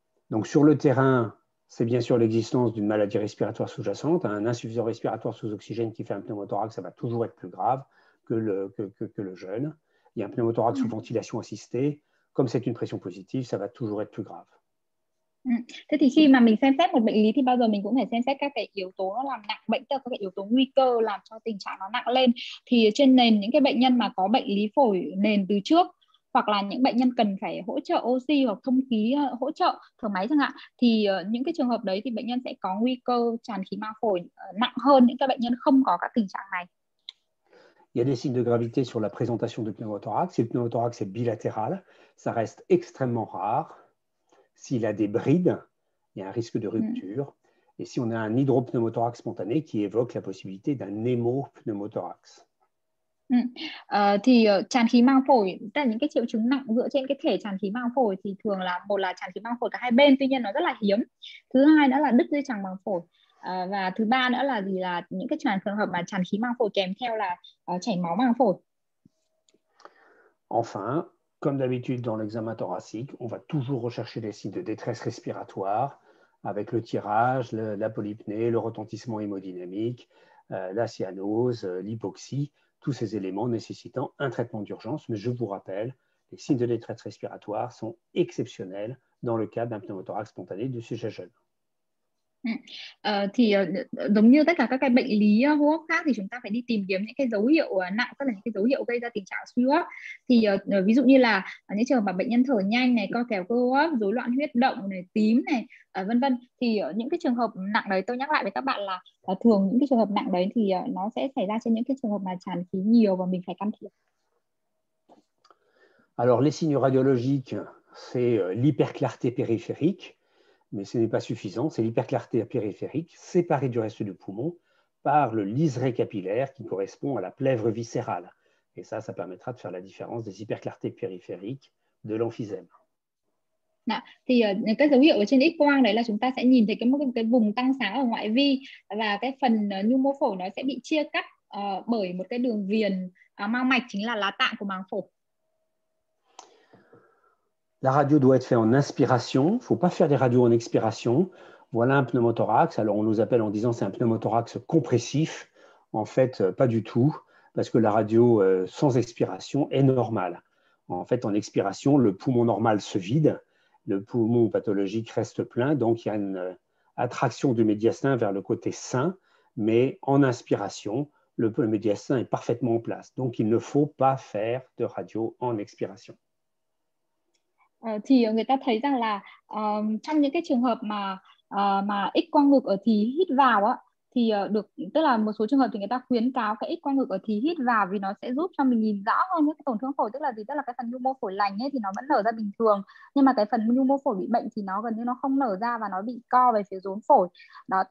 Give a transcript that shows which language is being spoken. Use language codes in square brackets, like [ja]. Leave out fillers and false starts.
[fr] Donc sur le terrain, c'est bien sûr l'existence d'une maladie respiratoire sous-jacente. Un insuffisant respiratoire sous oxygène qui fait un pneumothorax, ça va toujours être plus grave que le jeune. Il y a un pneumothorax sous ventilation assistée. Comme c'est une pression positive, ça va toujours être plus grave. [vi] Thế thì khi mà mình xem xét một bệnh lý thì bao giờ mình cũng phải xem xét các cái yếu tố nó làm nặng bệnh, các cái yếu tố nguy cơ làm cho tình trạng nó nặng lên. Thì trên nền những cái bệnh nhân mà có bệnh lý phổi nền từ trước, hoặc là những bệnh nhân cần phải hỗ trợ oxy hoặc thông khí, hỗ trợ thở máy chẳng hạn, thì những cái trường hợp đấy thì bệnh nhân sẽ có nguy cơ tràn khí màng phổi nặng hơn những cái bệnh nhân không có các tình trạng này. [fr] Il y a des signes de gravité sur la présentation du pneumothorax. Si le pneumothorax est bilatéral, ça reste extrêmement rare. S'il a des brides, il y a un risque de rupture. Et si on a un hydropneumothorax spontané qui évoque la possibilité d'un hémopneumothorax. [vi] Thì tràn khí màng phổi, tức là những cái triệu chứng nặng dựa trên cái thể tràn khí màng phổi thì thường là một là tràn khí màng phổi cả hai bên, tuy nhiên nó rất là hiếm. Thứ hai nữa là đứt dây chằng màng phổi. Và thứ ba nữa là gì, là những cái trường hợp mà tràn khí màng phổi kèm theo là chảy máu màng phổi. [fr] Enfin, comme d'habitude dans l'examen thoracique, on va toujours rechercher des signes de détresse respiratoire avec le tirage, la polypnée, le retentissement hémodynamique, la cyanose, l'hypoxie, tous ces éléments nécessitant un traitement d'urgence. Mais je vous rappelle, les signes de détresse respiratoire sont exceptionnels dans le cas d'un pneumothorax spontané du sujet jeune. [vi] Thì giống như tất cả các cái bệnh lý hô hấp khác thì chúng ta phải đi tìm kiếm những cái dấu hiệu nặng, tức là những cái dấu hiệu gây ra tình trạng suy hô hấp. Thì ví dụ như là những trường hợp mà bệnh nhân thở nhanh này, co kèo cơ hô hấp, rối loạn huyết động này, tím này, vân vân, thì những cái trường hợp nặng đấy, tôi nhắc lại với các bạn là thường những cái trường hợp nặng đấy thì nó sẽ xảy ra trên những cái trường hợp mà tràn khí nhiều và mình phải can thiệp. [fr] Alors les signes radiologiques, c'est l'hyperclarté périphérique. Mais ce n'est pas suffisant, c'est l'hyperclarté périphérique séparée du reste du poumon par le liseré capillaire qui correspond à la plèvre viscérale. Et ça, ça permettra de faire la différence des hyperclartés périphériques de l'emphysème. [vi] Đó, thì cái dấu hiệu ở trên X-quang đấy là chúng ta sẽ nhìn thấy cái vùng tăng sáng ở ngoại vi và cái phần nhu mô phổi nó sẽ bị chia cắt bởi một cái đường viền mao mạch chính là lá tạng của màng phổi. [fr] La radio doit être faite en inspiration, il ne faut pas faire des radios en expiration. Voilà un pneumothorax, alors on nous appelle en disant que c'est un pneumothorax compressif. En fait, pas du tout, parce que la radio sans expiration est normale. En fait, en expiration, le poumon normal se vide, le poumon pathologique reste plein, donc il y a une attraction du médiastin vers le côté sain, mais en inspiration, le médiastin est parfaitement en place. Donc, il ne faut pas faire de radio en expiration. [vi] Thì người ta thấy rằng là trong những cái trường hợp mà X quang ngực ở thí hít vào á, thì được, tức là một số trường hợp thì người ta khuyến cáo cái X quang ngực ở thí hít vào vì nó sẽ giúp cho mình nhìn rõ hơn những cái tổn thương phổi, tức là gì, tức là cái phần nhu mô phổi lành ấy thì nó vẫn nở ra bình thường, nhưng mà cái phần nhu mô phổi bị bệnh thì nó gần như nó không nở ra và nó bị co về phía rốn phổi đó.